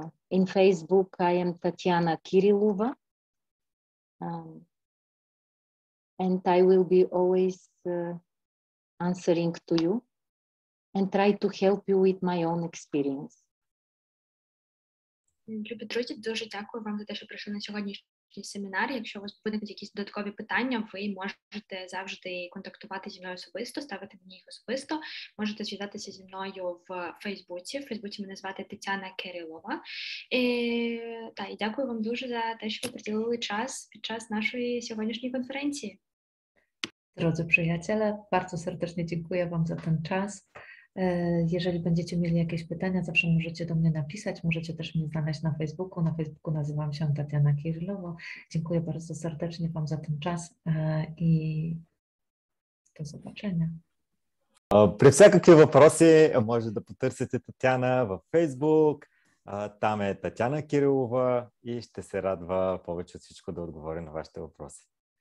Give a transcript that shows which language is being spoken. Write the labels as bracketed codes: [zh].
[en] In Facebook, I am Tatiana Kirilova. And I will be always answering to you and try to help you with my own experience. [uk] Любі друзі, дуже дякую вам за те, що прийшли на сьогоднішній семінар. Якщо у вас виникнуть якісь додаткові питання, ви можете завжди контактувати зі мною особисто, ставити мені їх особисто. Можете зв'язатися зі мною в Фейсбуці. В Фейсбуці мене звати Тетяна Кирилова. І дякую вам дуже за те, що ви приділили час під час нашої сьогоднішньої конференції. [pl] Drodzy przyjaciele, bardzo serdecznie dziękuję Wam za ten czas. Jeżeli będziecie mieli jakieś pytania, zawsze możecie do mnie napisać. Możecie też mnie znaleźć na Facebooku. Na Facebooku nazywam się Tatiana Kirilowo. Dziękuję bardzo serdecznie Wam za ten czas i do zobaczenia. [bg] При всякакви въпроси може да потърсите Татяна във Facebook. Там е Татяна Кирилова и ще се радва повече от всичко да отговори на вашите въпроси.